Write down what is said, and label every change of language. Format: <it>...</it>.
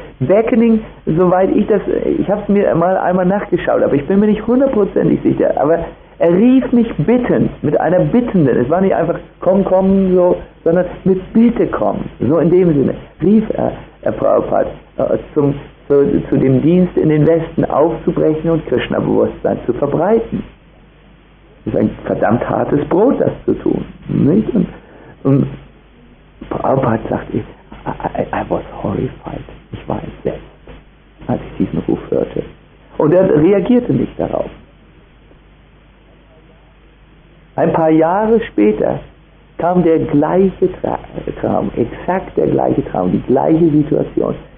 <de>Beckoning, soweit ich das, ich habe es mir einmal nachgeschaut, aber ich bin mir nicht hundertprozentig sicher, aber er rief mich bittend, mit einer Bittenden, es war nicht einfach komm, so, sondern mit Bitte komm, so in dem Sinne, rief er Herr Prabhupada, zu dem Dienst in den Westen aufzubrechen und Krishna-Bewusstsein zu verbreiten. Das ist ein verdammt hartes Brot, das zu tun. Nicht? Und Prabhupada sagt,</de> <en>I was horrified.</en> <de>Ich war entsetzt, als ich diesen Ruf hörte. Und er reagierte nicht darauf. Ein paar Jahre später kam der gleiche Traum, exakt der gleiche Traum, die gleiche Situation.</de>